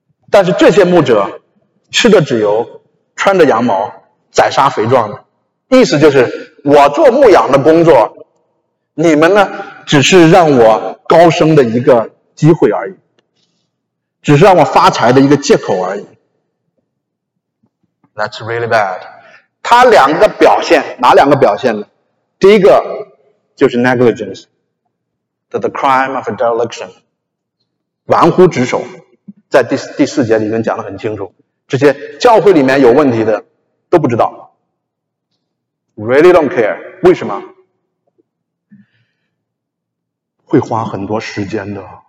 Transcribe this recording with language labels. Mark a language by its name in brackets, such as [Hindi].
[Chinese] 但是这些牧者吃着脂油，穿着羊毛，宰杀肥壮的，意思就是我做牧羊的工作，你们呢只是让我高升的一个机会而已，只是让我发财的一个借口而已。 [English] That's really bad。 [Chinese] 他两个表现，哪两个表现呢？第一个就是 [English] negligence， the crime of dereliction， [Chinese] 玩忽职守。在第四节里面讲得很清楚，这些教会里面有问题的都不知道， [English] really don't care。 [Chinese] 为什么？会花很多时间的。